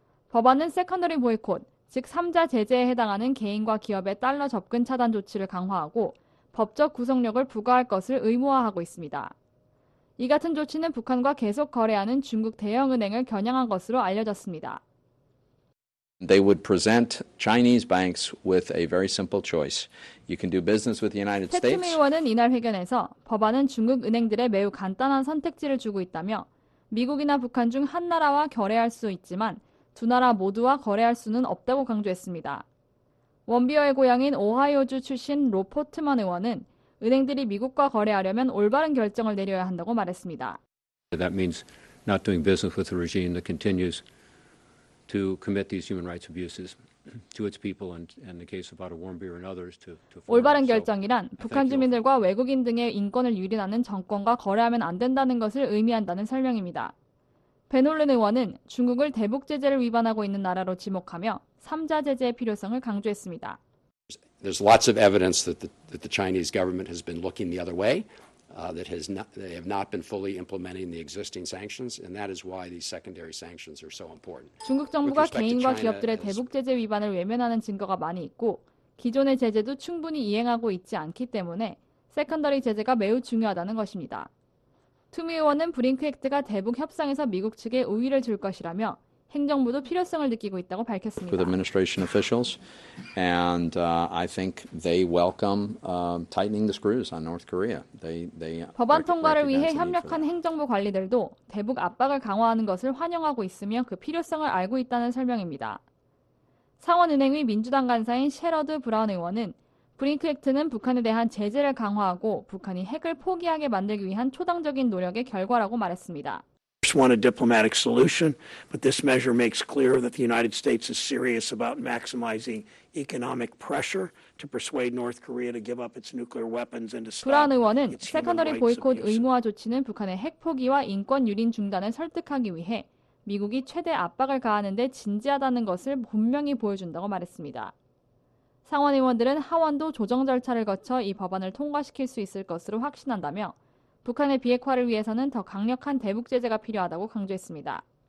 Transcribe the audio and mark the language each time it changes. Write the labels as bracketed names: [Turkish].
[Korean] 법안은 세컨더리 보이콧, 즉 3자 제재에 해당하는 개인과 기업의 달러 접근 차단 조치를 강화하고 법적 구속력을 부과할 것을 의무화하고 있습니다. 이 같은 조치는 북한과 계속 거래하는 중국 대형은행을 겨냥한 것으로 알려졌습니다. [English] They would present Chinese banks with a very simple choice. You can do business with the United States. [Korean] 태트미 의원은 이날 회견에서 법안은 중국 은행들에 매우 간단한 선택지를 주고 있다며 미국이나 북한 중 한 나라와 거래할 수 있지만 두 나라 모두와 거래할 수는 없다고 강조했습니다. 원비어의 고향인 오하이오주 출신 로 포트먼 의원은 은행들이 미국과 거래하려면 올바른 결정을 내려야 한다고 말했습니다. [English] That means not doing business with a regime that continues to commit these human rights abuses to its people and in the case of Otto Warmbier and others to [Korean] 올바른 결정이란 북한 주민들과 외국인 등의 인권을 유린하는 정권과 거래하면 안 된다는 것을 의미한다는 설명입니다. 벤홀른 의원은 중국을 대북 제재를 위반하고 있는 나라로 지목하며 3자 제재의 필요성을 강조했습니다. [English] There's lots of evidence that the Chinese government has been looking the other way. They have not been fully implementing the existing sanctions, and that is why these secondary sanctions are so important. [Korean] 중국 정부가 개인과 기업들의 대북 제재 위반을 외면하는 증거가 많이 있고 기존의 제재도 충분히 이행하고 있지 않기 때문에 세컨더리 제재가 매우 중요하다는 것입니다. 투미 의원은 브링크 액트가 대북 협상에서 미국 측에 우위를 줄 것이라며 행정부도 필요성을 느끼고 있다고 밝혔습니다. [English] With administration officials, and I think they welcome tightening the screws on North Korea. They [Korean] 법안 통과를 위해 협력한 행정부 관리들도 대북 압박을 강화하는 것을 환영하고 있으며 그 필요성을 알고 있다는 설명입니다. 상원은행의 민주당 간사인 셰러드 브라운 의원은 브링크 액트는 북한에 대한 제재를 강화하고 북한이 핵을 포기하게 만들기 위한 초당적인 노력의 결과라고 말했습니다. [English] I want a diplomatic solution, but this measure makes clear that the United States is serious about maximizing economic pressure to persuade North Korea to give up its nuclear weapons and to stop. [Korean] 브라운 의원은 세컨더리 보이콧 의무화 조치는 북한의 핵 포기와 인권 유린 중단을 설득하기 위해 미국이 최대 압박을 가하는 데 진지하다는 것을 분명히 보여준다고 말했습니다. 상원 의원들은 하원도 조정 절차를 거쳐 이 법안을 통과시킬 수 있을 것으로 확신한다며 북한의 비핵화를 위해서는 더 강력한 대북 제재가 필요하다고 강조했습니다.